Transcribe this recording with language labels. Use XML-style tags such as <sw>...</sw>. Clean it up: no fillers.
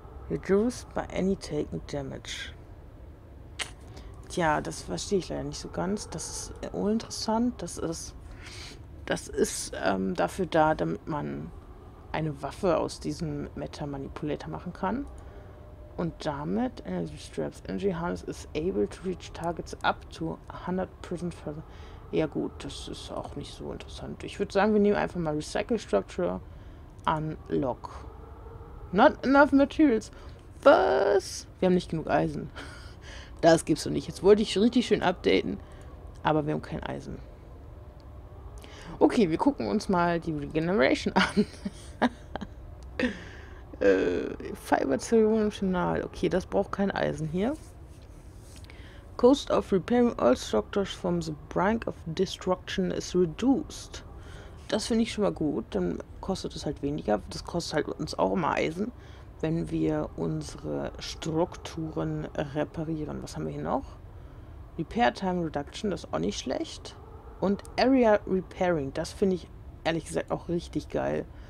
<en>Reduced by any taken damage.</en> <de>Tja, das verstehe ich leider nicht so ganz. Das ist uninteressant. Das ist dafür da, damit man eine Waffe aus diesem Meta-Manipulator machen kann. Und damit Energy Straps.</de> <en>Energy Harness is able to reach targets up to 100% further.</en> <de>Ja gut, das ist auch nicht so interessant. Ich würde sagen, wir nehmen einfach mal Recycle Structure Unlock.</de> <en>Not enough materials.</en> <de>Was? Wir haben nicht genug Eisen. Das gibt's doch nicht. Jetzt wollte ich richtig schön updaten, aber wir haben kein Eisen. Okay, wir gucken uns mal die Regeneration an. Fiber Zeremonial. Okay, das braucht kein Eisen hier.</de> <en>Cost of repairing all structures from the brink of destruction is reduced.</en> <de>Das finde ich schon mal gut. Dann kostet es halt weniger. Das kostet halt uns auch immer Eisen, wenn wir unsere Strukturen reparieren. Was haben wir hier noch? Repair Time Reduction, das ist auch nicht schlecht. Und Area Repairing, das finde ich ehrlich gesagt auch richtig geil.</de>